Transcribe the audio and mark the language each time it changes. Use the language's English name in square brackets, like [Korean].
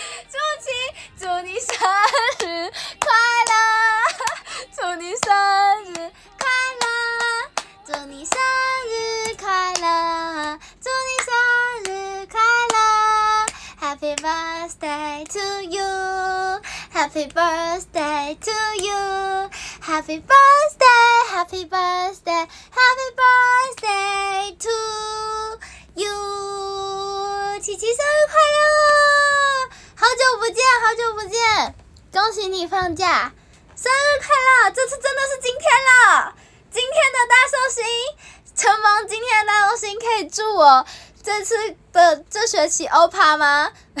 [Chinese] 祝琪，祝你生日快乐，祝你生日快乐，祝你生日快乐，祝你生日快乐 ， [English] Happy birthday to you。 Happy birthday to you, Happy birthday, Happy birthday, Happy birthday to you. [Chinese] 琪琪生日快乐！好久不见，好久不见，恭喜你放假，生日快乐！这次真的是今天了，今天的大寿星，承蒙今天的大寿星可以祝我这次的这学期欧趴吗？